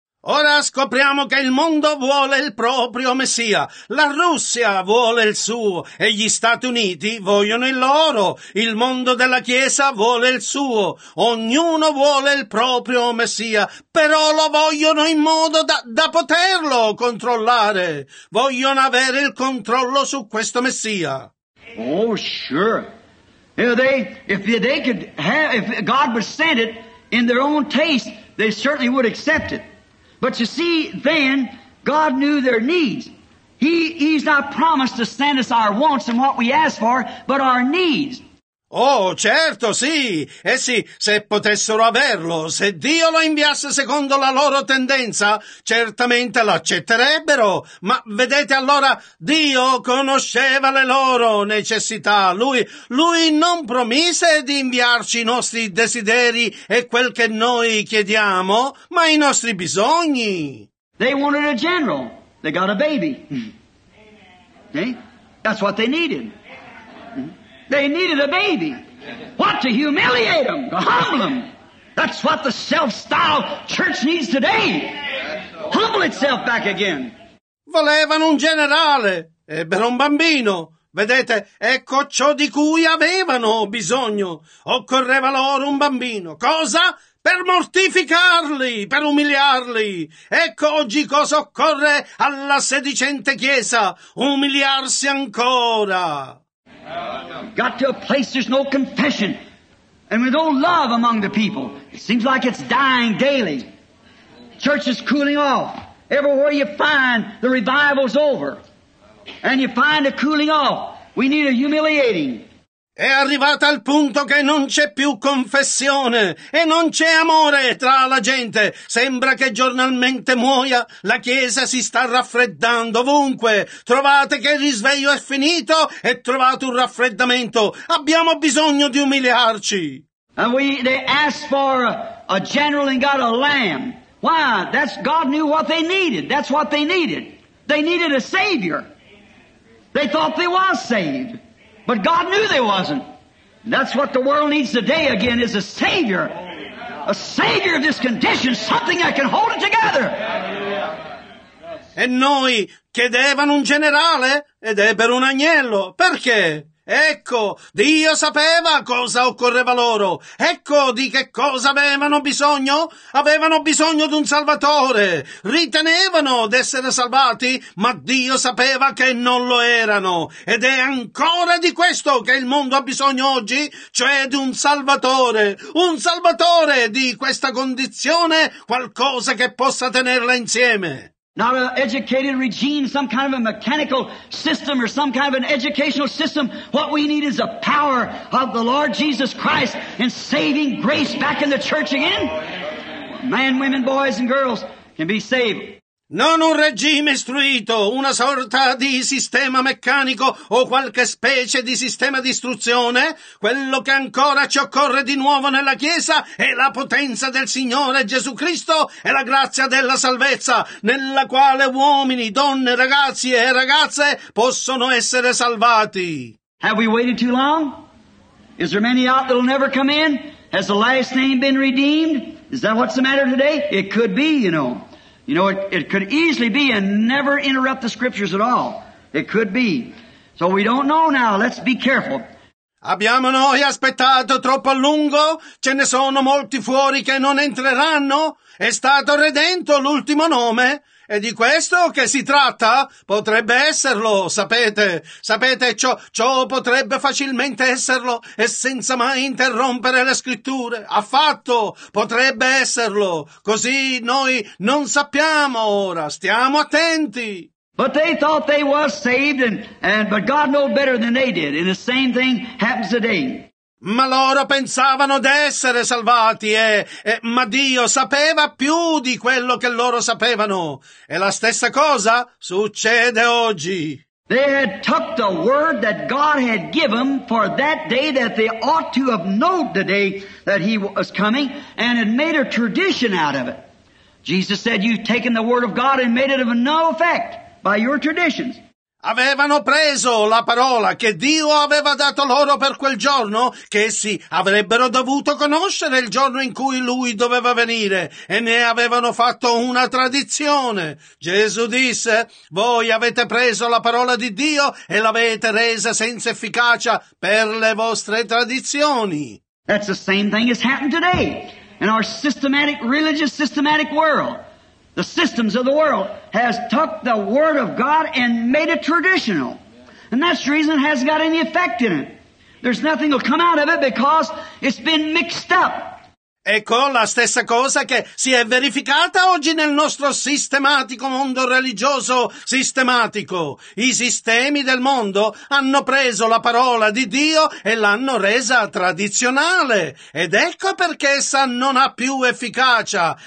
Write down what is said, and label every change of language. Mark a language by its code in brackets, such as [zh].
[it] Ora scopriamo che il mondo vuole il proprio Messia, la Russia vuole il suo e gli Stati Uniti vogliono il loro, il mondo della Chiesa vuole il suo, ognuno vuole il proprio Messia, però lo vogliono in modo da poterlo controllare, vogliono avere il controllo su questo Messia. [en] Oh, sure. If God would send it in their own taste, they certainly would accept it. But you see, then, God knew their needs. He's not promised to send us our wants and what we ask for, but our needs. [it] Oh, certo, sì. Sì, se potessero averlo, se Dio lo inviasse secondo la loro tendenza, certamente l'accetterebbero. Ma vedete allora, Dio conosceva le loro necessità. Lui non promise di inviarci i nostri desideri e quel che noi chiediamo, ma i nostri bisogni. [en] They wanted a general. They got a baby. Okay? That's what they needed. They needed a baby. What? To humiliate them, to humble them. That's what the self-styled church needs today. Humble itself back again. [it] Volevano un generale, ebbero un bambino. Vedete, ecco ciò di cui avevano bisogno. Occorreva loro un bambino. Cosa? Per mortificarli, per umiliarli. Ecco oggi cosa occorre alla sedicente chiesa. Umiliarsi ancora. [en] Got to a place there's no confession. And with no love among the people, it seems like it's dying daily. Church is cooling off. Everywhere you find, the revival's over. And you find a cooling off. We need a humiliating. [it] È arrivata al punto che non c'è più confessione e non c'è amore tra la gente. Sembra che giornalmente muoia, la Chiesa si sta raffreddando ovunque. Trovate che il risveglio è finito e trovate un raffreddamento. Abbiamo bisogno di umiliarci. [en] And they asked for a general and got a lamb. Why? That's God knew what they needed. That's what they needed. They needed a savior. They thought they was saved. But God knew they wasn't. That's what the world needs today again is a Savior. A Savior of this condition, something that can hold it together. [it] E noi chiedevano un generale ed ebbero un agnello. Perché? Ecco, Dio sapeva cosa occorreva loro. Ecco di che cosa avevano bisogno. Avevano bisogno di un Salvatore. Ritenevano d'essere salvati, ma Dio sapeva che non lo erano. Ed è ancora di questo che il mondo ha bisogno oggi, cioè di un Salvatore. Un Salvatore di questa condizione, qualcosa che possa tenerla insieme. [en] Not an educated regime, some kind of a mechanical system or some kind of an educational system. What we need is the power of the Lord Jesus Christ in saving grace back in the church again. Men, women, boys and girls can be saved. [it] Non un regime istruito, una sorta di sistema meccanico o qualche specie di sistema di istruzione. Quello che ancora ci occorre di nuovo nella Chiesa è la potenza del Signore Gesù Cristo e la grazia della salvezza, nella quale uomini, donne, ragazzi e ragazze possono essere salvati. [en] Have we waited too long? Is there many out that'll never come in? Has the last name been redeemed? Is that what's the matter today? It could be, you know. You know, it could easily be and never interrupt the scriptures at all. It could be. So we don't know now. Let's be careful. [it] Abbiamo noi aspettato troppo a lungo? Ce ne sono molti fuori che non entreranno? È stato redento l'ultimo nome? E di questo che si tratta? Potrebbe esserlo, sapete. Sapete, ciò potrebbe facilmente esserlo e senza mai interrompere le scritture. Affatto, potrebbe esserlo. Così noi non sappiamo ora. Stiamo attenti. [en] But they thought they were saved, but God knew better than they did. And the same thing happens today. [it] Ma loro pensavano d'essere salvati ma Dio sapeva più di quello che loro sapevano. E la stessa cosa succede oggi. [en] They had tucked the word that God had given for that day that they ought to have known the day that he was coming and had made a tradition out of it. Jesus said, you've taken the word of God and made it of no effect by your traditions. [it] Avevano preso la parola che Dio aveva dato loro per quel giorno, che essi avrebbero dovuto conoscere il giorno in cui lui doveva venire, e ne avevano fatto una tradizione. Gesù disse, voi avete preso la parola di Dio e l'avete resa senza efficacia per le vostre tradizioni. [en] That's the same thing has happened today in our systematic, religious, systematic world. The systems of the world has tucked the word of God and made it traditional. And that's the reason it hasn't got any effect in it. There's nothing will come out of it because it's been mixed up. [it] Ecco la stessa cosa che si è verificata oggi nel nostro sistematico mondo religioso sistematico. I sistemi del mondo hanno preso la parola di Dio e l'hanno resa tradizionale. Ed ecco perché essa non ha più efficacia.